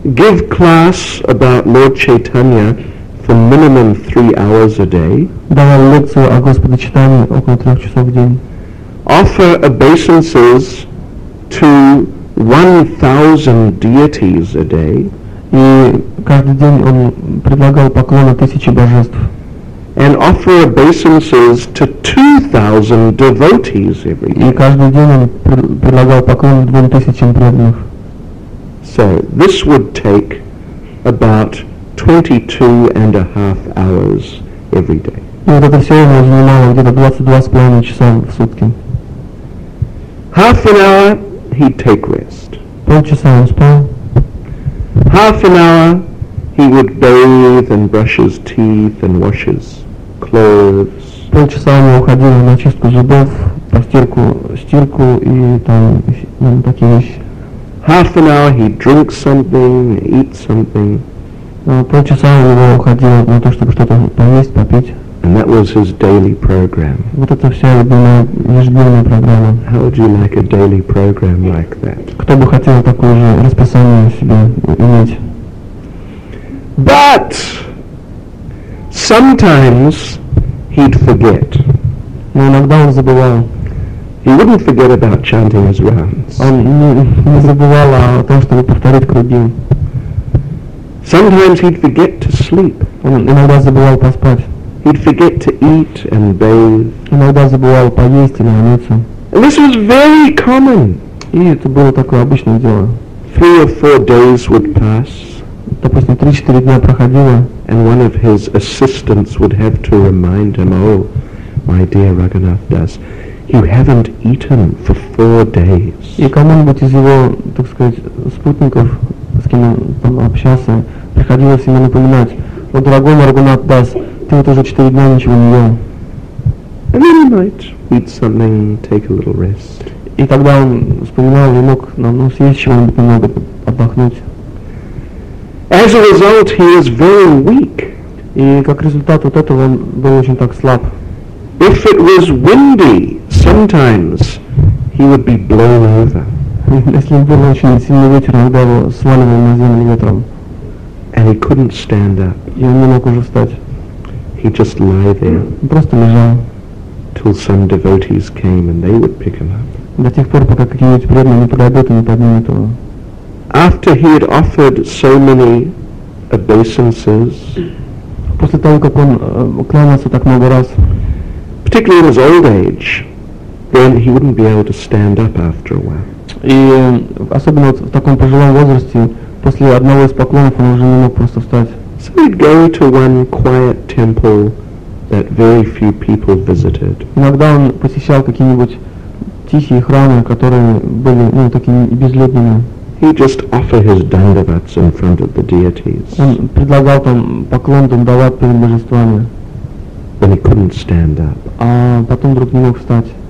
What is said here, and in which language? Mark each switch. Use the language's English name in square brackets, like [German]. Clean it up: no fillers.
[English] Give class about Lord Chaitanya for minimum 3 hours a day. [Russian] Давал лекцию о Господе Чайтанье около 3 часов в день. [English] Offer obeisances to 1,000 deities a day. [Russian] И каждый день он предлагал поклоны 1000 божеств. [English] And offer obeisances to 2,000 devotees every day. [Russian] И каждый день он предлагал поклоны 2,000 преданных. [English] So this would take about 22.5 hours every day. [Russian] И вот это все ему занимало где-то 22.5 часа в сутки. [English] Half an hour, he'd take rest. [Russian] Полчаса он спал. [English] Half an hour, he would bathe and brush his teeth and wash his clothes. [Russian] Полчаса он уходил на чистку зубов, постирку и там такие вещи. [English] Half an hour, he'd drink something, eat something. [Russian] Полчаса он уходил на то, чтобы что-то поесть, попить. [English] And that was his daily program. [Russian] Вот это вся любимая ежедневная программа. [English] How would you like a daily program like that? [Russian] Кто бы хотел такое же расписание себе иметь? [English] But Sometimes he'd forget. [Russian] Но иногда он забывал. [English] He wouldn't forget about chanting his rounds. [Russian] Он не забывал о том, чтобы повторить круги. [English] Sometimes he'd forget to sleep. [Russian] Он иногда забывал поспать. [English] He'd forget to eat and bathe. [Russian] Иногда забывал поесть и умыться. [English] And this was very common. [Russian] И это было такое обычное дело. [English] 3 or 4 days would pass. [Russian] Допустим, 3-4 дня проходило. [English] And one of his assistants would have to remind him, "Oh, my dear Raghunath Das, you haven't eaten for 4 days." [Russian] И кому-нибудь из его, так сказать, спутников, с кем он общался, приходилось ему напоминать: "О, дорогой Раганат Дас, ты вот уже 4 дня ничего не ел." [English] And then he might eat something, take a little rest. [Russian] И тогда он вспоминал и мог, ну, съесть чего-нибудь немного, отдохнуть. [English] As a result, he was very weak. [Russian] И как результат вот этого он был очень так слаб. [English] If it was windy, sometimes he would be blown over. [Russian] Если был очень сильный ветер, иногда его сваливал на землю ветром. [English] And he couldn't stand up. [Russian] И он не мог уже встать. [English] He just lay there. [Russian] Он просто лежал. [English] Till some devotees came and they would pick him up. [Russian] До тех пор, пока какие-нибудь преданные не подойдут и не поднимут его. [English] After he had offered so many obeisances, [Russian] после того, как он кланялся так много раз, [English] particularly in his old age, then he wouldn't be able to stand up after a while. [Russian] И особенно вот в таком пожилом возрасте, после одного из поклонов он уже не мог просто встать. [English] So he'd go to one quiet temple that very few people visited. [Russian] Иногда он посещал какие-нибудь тихие храмы, которые были, ну, такими безлюдными. [English] He'd just offer his dandavats in front of the deities. [Russian] Он предлагал там поклон дандават перед божествами. [English] Then he couldn't stand up. [Russian] А потом вдруг не мог встать.